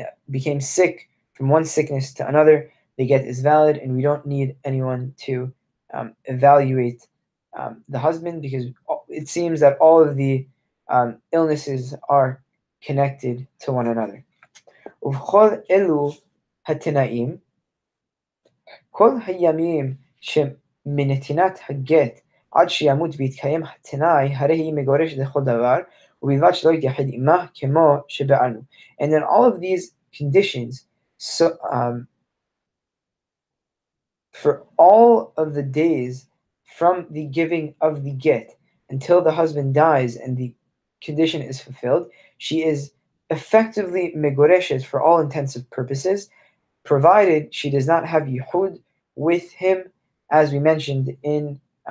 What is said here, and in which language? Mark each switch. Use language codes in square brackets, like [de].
[en] became sick from one sickness to another, the get is valid, and we don't need anyone to evaluate the husband, because it seems that all of the illnesses are connected to one another. [he] Uvchol elu hatenaim. כל הימים שמנתינת הגט עד שימות ויתקיים התנאי, הרי היא מגורשת לכל דבר, ובלבד שלא יתייחד עמה כמו שבעלנו. [en] And in all of these conditions, so for all of the days from the giving of the get until the husband dies and the condition is fulfilled, she is effectively megoreshet for all intents and purposes, provided she does not have yihud with him, as we mentioned in